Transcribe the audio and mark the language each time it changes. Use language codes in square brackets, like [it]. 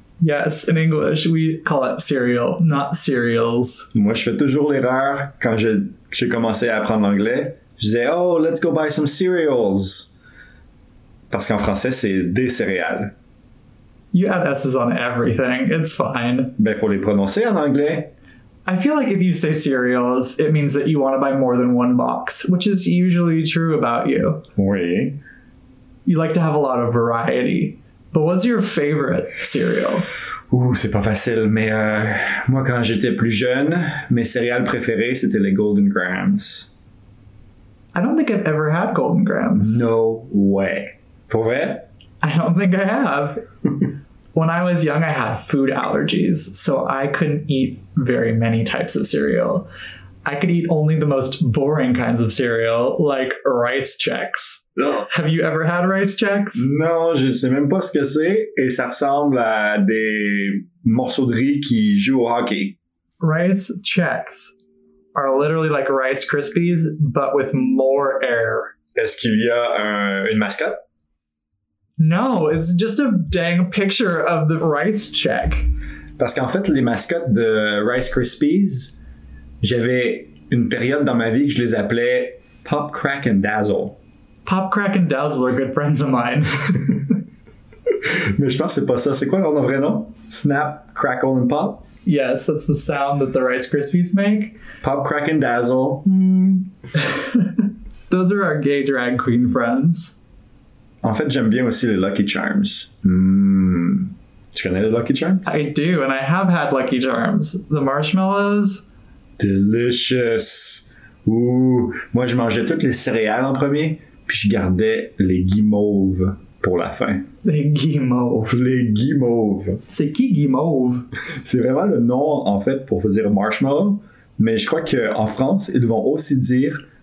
[en] Yes, in English we call it cereal, not cereals. [fr] Moi je fais toujours l'erreur quand j'ai commencé à apprendre l'anglais. Je disais, [en] oh, let's go buy some cereals. [fr] Parce qu'en français c'est des céréales. [en] You add S's on everything. It's fine. [fr] Ben, faut les prononcer en anglais. [en] I feel like if you say cereals, it means that you want to buy more than one box, which is usually true about you. [fr] Oui. [en] You like to have a lot of variety. But what's your favorite cereal? [fr] Ouh, c'est pas facile, mais moi, quand j'étais plus jeune, mes céréales préférées, c'était les Golden Grahams. [en] I don't think I've ever had Golden Grahams. No way. [fr] Pour vrai? [en] I don't think I have. When I was young, I had food allergies, so I couldn't eat very many types of cereal. I could eat only the most boring kinds of cereal, like Rice Chex. Ugh. Have you ever had Rice Chex? [fr] Non, je ne sais même pas ce que c'est, et ça ressemble à des morceaux de riz qui jouent au hockey. [en] Rice Chex are literally like Rice Krispies, but with more air. [fr] Est-ce qu'il y a une mascotte? [en] No, it's just a dang picture of the Rice Chex. [fr] Parce qu'en fait, les mascottes de Rice Krispies, j'avais une période dans ma vie que je les appelais Pop, Crack, and Dazzle. [en] Pop, Crack, and Dazzle are good friends of mine. [fr] Mais je pense que c'est pas ça. C'est quoi leur vrai nom? Snap, Crackle, and Pop? [en] Yes, that's the sound that the Rice Krispies make. Pop, Crack, and Dazzle. Those are our gay drag queen friends. [fr] En fait, j'aime bien aussi les Lucky Charms. Tu connais les Lucky Charms? [en] I do, and I have had Lucky Charms. The marshmallows? Delicious! Ouh! [fr] Moi, je mangeais toutes les céréales en premier, puis je gardais les guimauves pour la fin. Les guimauves! Les guimauves! C'est qui, guimauve? C'est vraiment le nom, en fait, pour dire marshmallow, mais je crois qu'en France, ils vont aussi dire...